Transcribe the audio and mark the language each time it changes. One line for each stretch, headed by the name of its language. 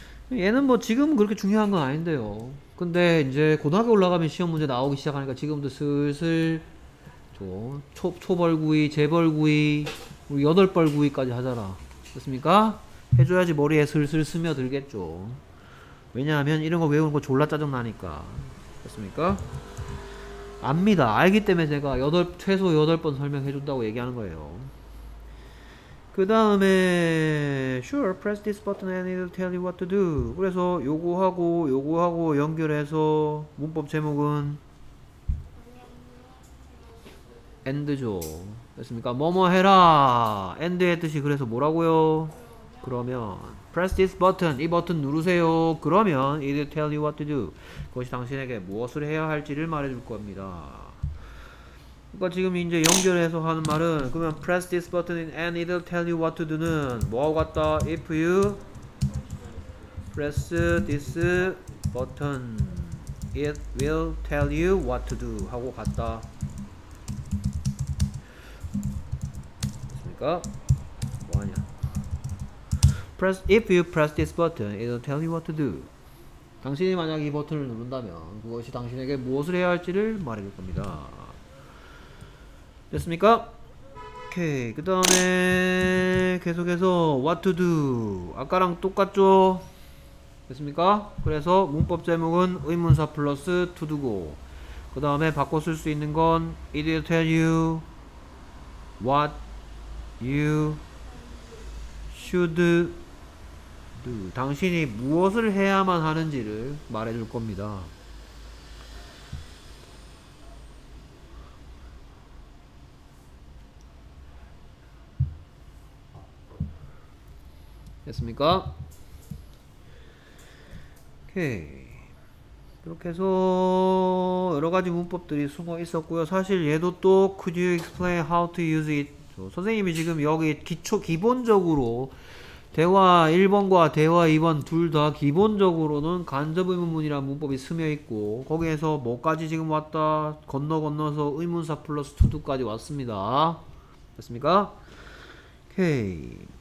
Korean: 얘는 뭐 지금 그렇게 중요한 건 아닌데요. 근데 이제 고등학교 올라가면 시험 문제 나오기 시작하니까 지금도 슬슬 초벌구이, 재벌구이, 우리 여덟벌구이까지 하잖아. 됐습니까? 해줘야지 머리에 슬슬 스며들겠죠. 왜냐하면 이런 거 외우는 거 졸라 짜증나니까. 됐습니까? 압니다. 알기 때문에 제가 최소 8번 설명해준다고 얘기하는 거예요. 그 다음에
English: Sure, press this button and it'll tell you what to do.
Korean: 그래서 요거하고 요거하고 연결해서 문법 제목은 and죠. 됐습니까? 뭐뭐 해라. and의 뜻이 그래서 뭐라고요? 그러면
English: press this button,
Korean: 이 버튼 누르세요.
English: 그러면 it'll tell you what to do.
Korean: 그것이 당신에게 무엇을 해야 할지를 말해줄 겁니다. 그러니까 지금 이제 연결해서 하는 말은 그러면
English: press this button and it'll tell you what to do
Korean: 는 뭐하고 같다?
English: If you press this button, it will tell you what to do
Korean: 하고 같다. 됐습니까? 뭐하냐?
English: If you press this button, it'll tell you what to do.
Korean: 당신이 만약 이 버튼을 누른다면 그것이 당신에게 무엇을 해야 할지를 말해줄 겁니다. 됐습니까? 오케이. 그 다음에 계속해서
English: what to do.
Korean: 아까랑 똑같죠? 됐습니까? 그래서 문법 제목은 의문사 플러스 to do고 그 다음에 바꿔 쓸 수 있는 건
English: it'll tell you what you should do.
Korean: 당신이 무엇을 해야만 하는지를 말해줄 겁니다. 됐습니까? 오케이. 이렇게 해서 여러 가지 문법들이 숨어 있었고요. 사실 얘도 또
English: could you explain how to use it?
Korean: 선생님이 지금 여기 기본적으로 대화 1번과 대화 2번 둘 다 기본적으로는 간접 의문문이라는 문법이 스며 있고 거기에서 뭐까지 지금 왔다? 건너서 의문사 플러스 투두까지 왔습니다. 됐습니까? 오케이.